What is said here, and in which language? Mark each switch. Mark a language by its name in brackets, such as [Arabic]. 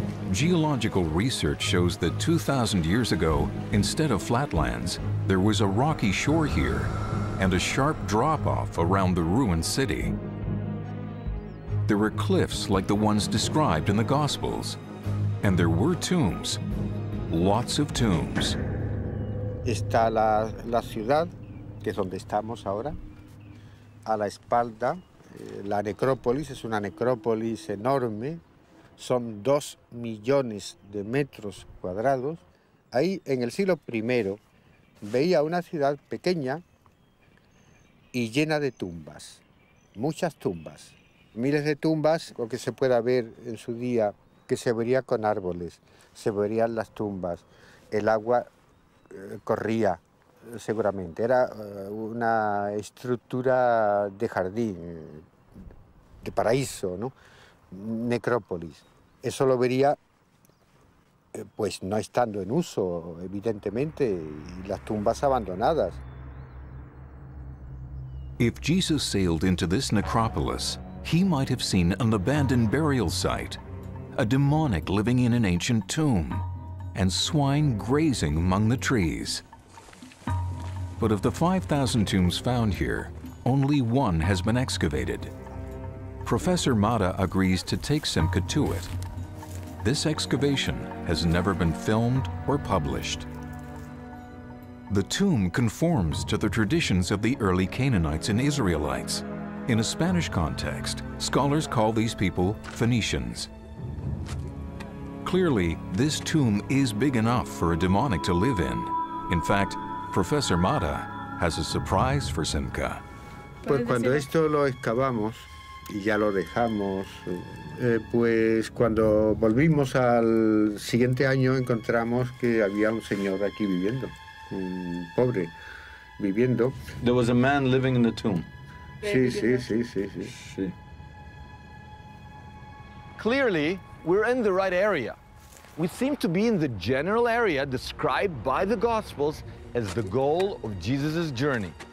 [English] Geological research shows that 2,000 years ago, instead of flatlands, there was a rocky shore here and a sharp drop-off around the ruined city. There were cliffs like the ones described in the Gospels, and there were tombs. Lots of tombs. [Spanish] Está la ciudad, que es donde estamos ahora, a la espalda. La necrópolis es una necrópolis enorme. Son 2 millones de metros cuadrados. Ahí, en el siglo I, veía una ciudad pequeña y llena de tumbas. Muchas tumbas. Miles de tumbas, lo que se pueda ver en su día, que se vería con árboles, se verían las tumbas, el agua corría seguramente. Era una estructura de jardín, de paraíso, ¿no? Necrópolis. Eso lo vería, pues, no estando en uso, evidentemente, y las tumbas abandonadas. [English] If Jesus sailed into this necropolis, he might have seen an abandoned burial site, a demonic living in an ancient tomb, and swine grazing among the trees. But of the 5,000 tombs found here, only one has been excavated. Professor Mata agrees to take Simcha to it. This excavation has never been filmed or published. The tomb conforms to the traditions of the early Canaanites and Israelites. In a Spanish context, scholars call these people Phoenicians. Clearly, this tomb is big enough for a demonic to live in. In fact, Professor Mata has a surprise for Simcha. [Spanish] Pues cuando esto lo excavamos y ya lo dejamos, pues cuando volvimos al siguiente año encontramos que había un señor aquí viviendo, un pobre viviendo. [English] There was a man living in the tomb. [Spanish] Sí. [English] Clearly, we're in the right area. We seem to be in the general area described by the Gospels as the goal of Jesus' journey.